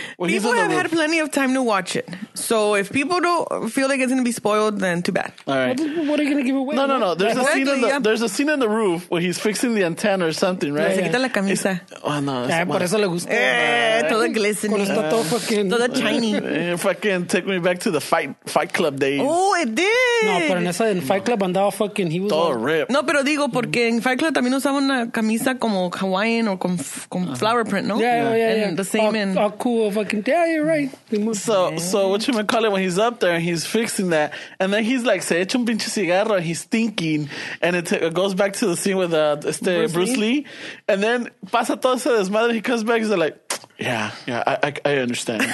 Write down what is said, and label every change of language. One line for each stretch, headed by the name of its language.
English: People have had plenty of time to watch it. So if people don't feel like it's gonna be spoiled, then too bad. All right. What are you gonna give away? No. There's a scene on the roof where he's fixing the antenna or something, right?
Spanish: Se quita la camisa.
English: Oh no.
Spanish: Por eso le gusta.
English: Todo glistening.
Spanish: Todo
English: shiny. Fucking take me back to the Fight Club days. Oh, it did.
Spanish: No, pero en esa en Fight Club andaba fucking.
English: He was todo ripped.
Spanish: No, pero digo porque en Fight Club también usaban una camisa como Hawaiian o con flower print, ¿no?
English: Yeah. And the same all cool fucking. Yeah, you're right. So what you gonna call it when he's up there and he's fixing that, and then he's like,
Spanish: se echa un pinche cigarro
English: and he's thinking, and it goes back to the scene with Bruce Lee, and then
Spanish: pasa todo ese desmadre,
English: he comes back, he's like, I understand.